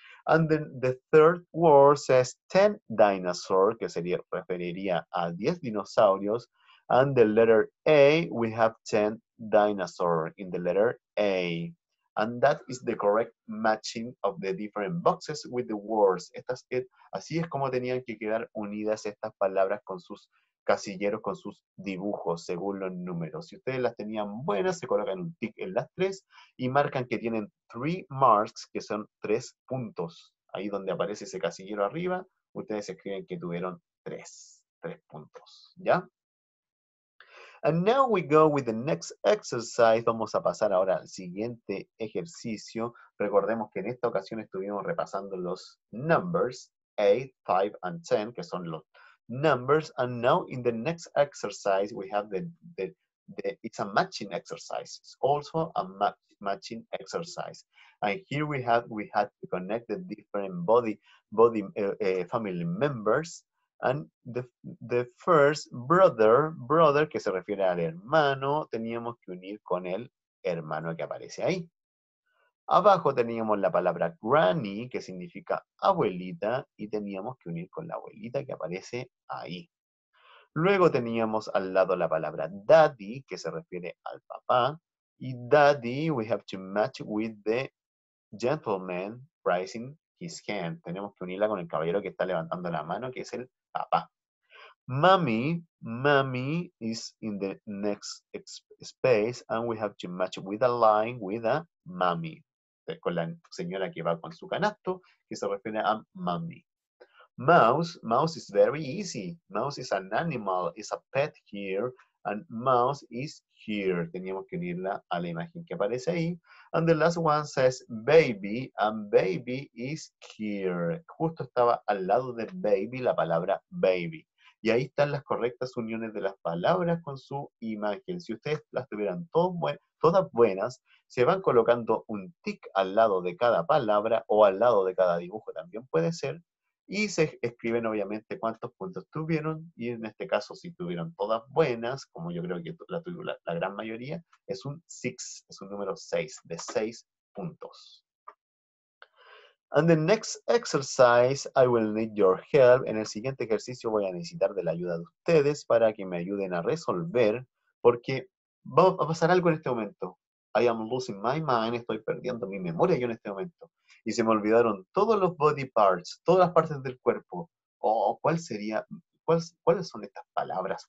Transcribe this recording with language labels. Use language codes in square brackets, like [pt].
[en] And then the third word says 10 dinosaur, [es] que sería, referiría a 10 dinosaurios. [en] And the letter A, we have 10 dinosaur in the letter A. And that is the correct matching of the different boxes with the words. [es] Así es como tenían que quedar unidas estas palabras con sus casilleros, con sus dibujos, según los números. Si ustedes las tenían buenas, se colocan un tick en las 3 y marcan que tienen 3 marks, que son 3 puntos. Ahí donde aparece ese casillero arriba, ustedes escriben que tuvieron 3 puntos. ¿Ya? [en] And now we go with the next exercise. [es] Vamos a pasar ahora al siguiente ejercicio. Recordemos que en esta ocasión estuvimos repasando los numbers, 8, 5, and 10, que son los numbers. [en] And now in the next exercise, we have it's a matching exercise. It's also a matching exercise. And here we had to connect the different family members. And the first brother, [es] que se refiere al hermano, teníamos que unir con el hermano que aparece ahí. Abajo teníamos la palabra granny, que significa abuelita, y teníamos que unir con la abuelita que aparece ahí. Luego teníamos al lado la palabra daddy, que se refiere al papá, [en] y daddy we have to match with the gentleman raising his hand. [es] Tenemos que unirla con el caballero que está levantando la mano, que es el papá. [en] Mommy is in the next space, and we have to match with a line with a mommy. [es] Con la señora que va con su canasto, que se refiere a mommy. [en] Mouse is very easy. Mouse is an animal, is a pet here, and mouse is here. [es] Teníamos que unirla a la imagen que aparece ahí. [en] And the last one says baby, and baby is here. [es] Justo estaba al lado de baby la palabra baby. Y ahí están las correctas uniones de las palabras con su imagen. Si ustedes las tuvieran todas buenas, se van colocando un tick al lado de cada palabra o al lado de cada dibujo, también puede ser. Y se escriben obviamente cuántos puntos tuvieron. Y en este caso, si tuvieron todas buenas, como yo creo que la gran mayoría, es un 6, es un número 6, de 6 puntos. [en] And the next exercise, I will need your help. [es] En el siguiente ejercicio voy a necesitar de la ayuda de ustedes para que me ayuden a resolver, porque va a pasar algo en este momento. [en] I am losing my mind, [es] estoy perdiendo mi memoria yo en este momento. Y se me olvidaron todos los body parts, todas las partes del cuerpo. Oh, ¿cuáles son estas palabras?